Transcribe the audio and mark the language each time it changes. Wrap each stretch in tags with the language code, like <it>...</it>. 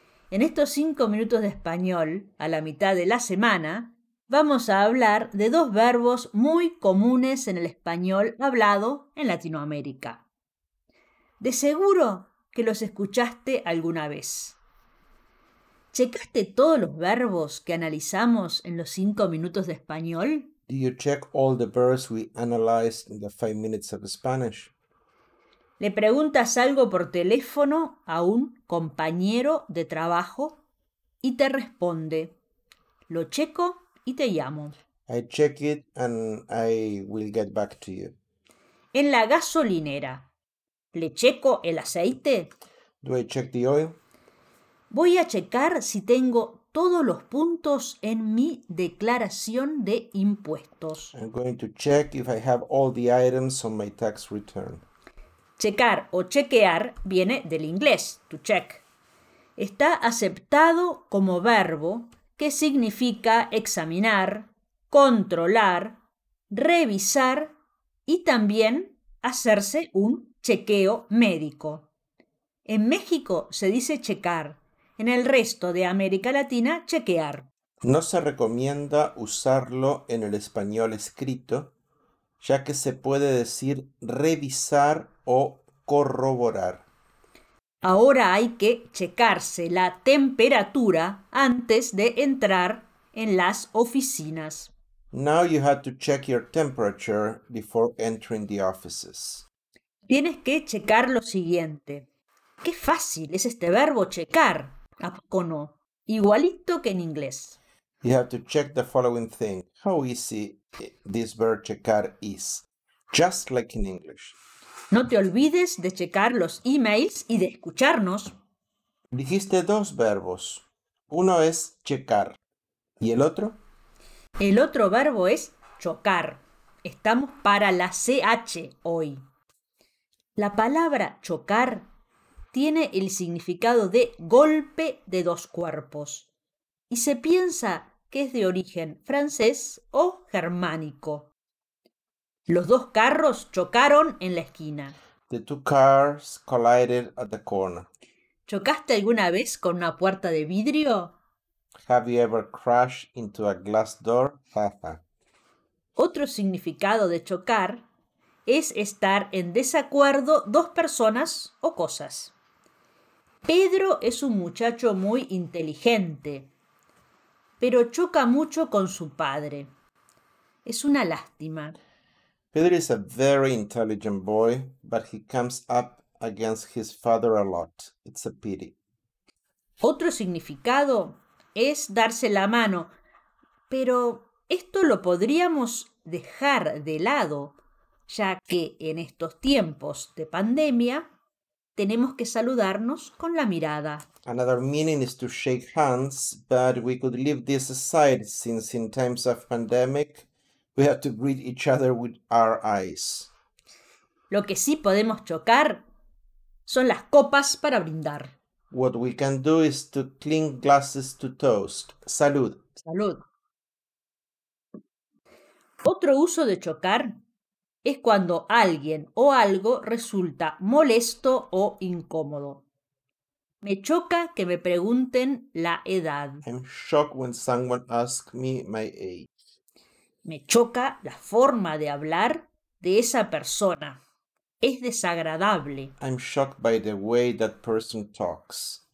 <es>En estos 5 minutos de español, a la mitad de la semana, vamos a hablar de dos verbos muy comunes en el español hablado en Latinoamérica. De seguro que los escuchaste alguna vez. ¿Checaste todos los verbos que analizamos en los 5 minutos de español?</es> <en>Do you check all the verbs we analyzed in the 5 minutes of Spanish?</en> <es>¿Le preguntas algo por teléfono a un compañero de trabajo y te responde? Lo checo y te llamo.</es> <en>I check it and I will get back to you.</en> <es>En la gasolinera, ¿le checo el aceite?</es> <en>Do I check the oil?</en> <es>Voy a checar si tengo todos los puntos en mi declaración de impuestos.</es> <en>I'm going to check if I have all the items on my tax return.</en> <es>Checar o chequear viene del inglés, to check. Está aceptado como verbo que significa examinar, controlar, revisar y también hacerse un chequeo médico. En México se dice checar. En el resto de América Latina, chequear. No se recomienda usarlo en el español escrito, ya que se puede decir revisar o corroborar. Ahora hay que checarse la temperatura antes de entrar en las oficinas.</es> <en>Now you have to check your temperature before entering the offices.</en> <es>Tienes que checar lo siguiente. ¡Qué fácil es este verbo checar! ¿A poco no? Igualito que en inglés.</es> <en>You have to check the following thing. How easy this verb checar is. Just like in English.</en> <es>No te olvides de checar los emails y de escucharnos. Dijiste dos verbos. Uno es checar. ¿Y el otro? El otro verbo es chocar. Estamos para la CH hoy. La palabra chocar tiene el significado de golpe de dos cuerpos y se piensa que es de origen francés o germánico. Los dos carros chocaron en la esquina.</es> <en>The two cars collided at the corner.</en> <es>¿Chocaste alguna vez con una puerta de vidrio?</es> <en>Have you ever crashed into a glass door?</en> <es>Otro significado de chocar es estar en desacuerdo dos personas o cosas. Pedro es un muchacho muy inteligente, pero choca mucho con su padre. Es una lástima.</es> <en>Pedro is a very intelligent boy, but he comes up against his father a lot. It's a pity.</en> <es>Otro significado es darse la mano, pero esto lo podríamos dejar de lado, ya que en estos tiempos de pandemia tenemos que saludarnos con la mirada.</es> <en>Another meaning is to shake hands, but we could leave this aside since in times of pandemic, we have to greet each other with our eyes.</en> <es>Lo que sí podemos chocar son las copas para brindar.</es> <en>What we can do is to clink glasses to toast.</en> <es>Salud. Salud. Otro uso de chocar es cuando alguien o algo resulta molesto o incómodo. Me choca que me pregunten la edad.</es> <en>I'm shocked when someone asks me my age.</en> <es>Me choca la forma de hablar de esa persona. Es desagradable.</es> <en>I'm shocked by the way that person talks.</en>